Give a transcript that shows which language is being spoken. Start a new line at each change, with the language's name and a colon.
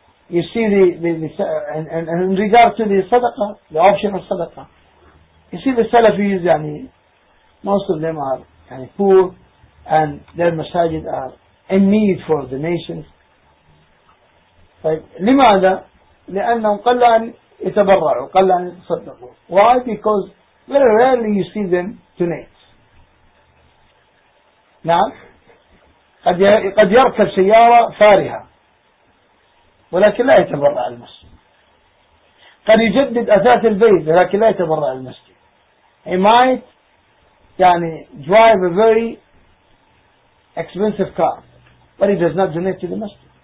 English: You see in regard to the sadaqah, the option of sadaqah, you see the Salafis, يعني, most of them are يعني, poor and their masajid are in need for the nations.
Arabic: لماذا؟ لأنهم قل أن يتبرعوا، قل أن يتصدقوا.
English: Why? Because very rarely you see them donate.
Arabic: نعم، قد يركب سيارة فارهة ولكن لا يتبرع المسجد. قد يجدد أثاث البيت ولكن لا يتبرع المسجد.
English: He might يعني drive a very expensive car but he does not donate to the masjid.